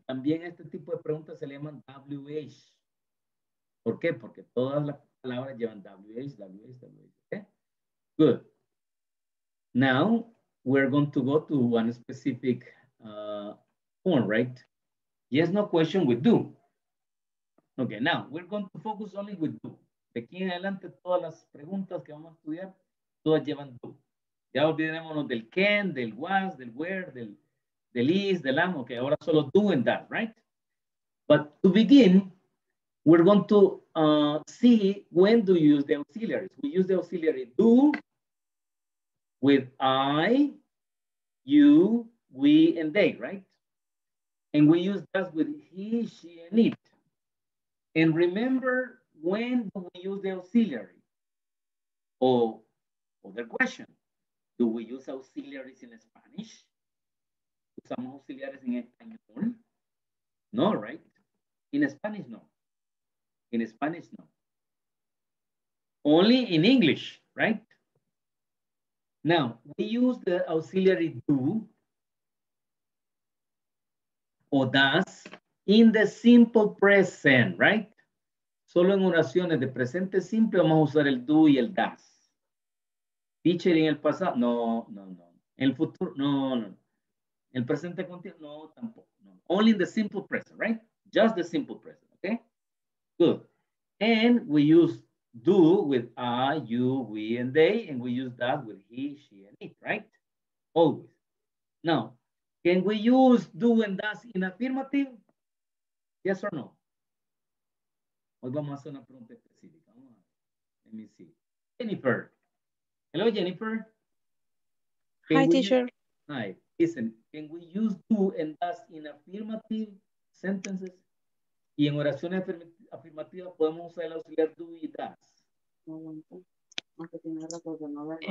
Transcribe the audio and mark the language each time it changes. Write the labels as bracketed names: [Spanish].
[Spanish] También este tipo de preguntas se le llaman WH. ¿Por qué? Porque todas las palabras llevan WH, WH, WH. [English] Okay? Good. Now, we're going to go to one specific form, right? Yes, no question with do. Okay, now, we're going to focus only with do. [Spanish] De aquí en adelante, todas las preguntas que vamos a estudiar, todas llevan do. Ya olvidémonos del can, del was, del where, del is, del am. [English] Okay, [Spanish] ahora solo [English] do and that, right? But to begin, we're going to see when do you use the auxiliaries. We use the auxiliary do, with I, you, we, and they, right? And we use that with he, she, and it. And remember, when do we use the auxiliary? Or other question, do we use auxiliaries in Spanish? [Spanish] Usamos auxiliares en español? No, [English] right? In Spanish, no. In Spanish, no. Only in English, right? Now, we use the auxiliary do or does in the simple present, right? [Spanish] Solo en oraciones de presente simple vamos a usar el do y el does. Teacher, en el pasado, no. En el futuro, no. En el presente continuo, no, tampoco. No. [English] Only in the simple present, right? Just the simple present, okay? Good. And we use do with I, you, we, and they, and we use that with he, she, and it, right? Always. Now, can we use do and does in affirmative? Yes or no? [Spanish] Hoy vamos a hacer una pregunta específica. [English] Let me see. Jennifer. Hello, Jennifer. Can hi, teacher. Hi. Listen, can we use do and does in affirmative sentences? [Spanish] Y en oraciones afirmativas podemos usar el auxiliar do y does.